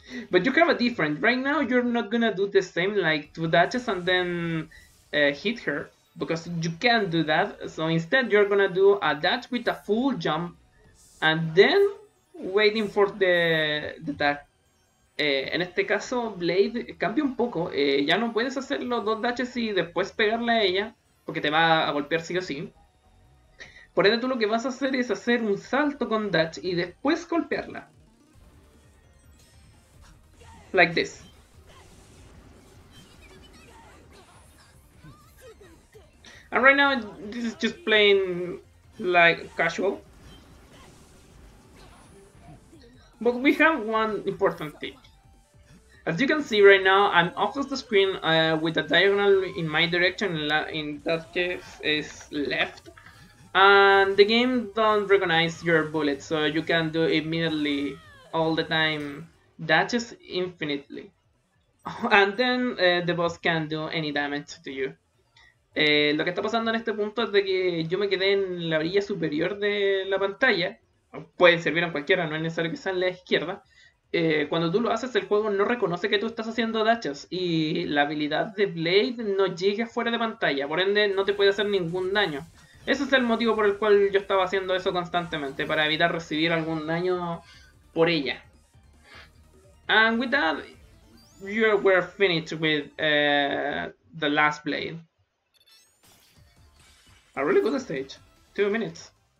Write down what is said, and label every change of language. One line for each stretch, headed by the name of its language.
English: But you have a different. Right now, you're not gonna do the same, like two dashes and then hit her. Because you can't do that, so instead you're gonna do a dash with a full jump and then waiting for the attack.
Spanish: En este caso, Blade cambia un poco, ya no puedes hacerlo dos dashes y después pegarle a ella, porque te va a golpear sí o sí. Por ende, tú lo que vas a hacer es hacer un salto con dash y después golpearla.
English: Like this. And right now, this is just plain like casual. But we have one important thing. As you can see right now, I'm off of the screen with a diagonal in my direction, in that case is left. And the game don't recognize your bullets, so you can do immediately all the time. That is infinitely. And then the boss can do any damage to you.
Spanish: Lo que está pasando en este punto es de que yo me quedé en la orilla superior de la pantalla. Pueden servir a cualquiera, no es necesario que sea en la izquierda. Cuando tú lo haces, el juego no reconoce que tú estás haciendo dashes y la habilidad de Blade no llega fuera de pantalla, por ende no te puede hacer ningún daño. Ese es el motivo por el cual yo estaba haciendo eso constantemente, para evitar recibir algún daño por ella.
English: And with that, we're finished with the last Blade. A really good stage. 2 minutes.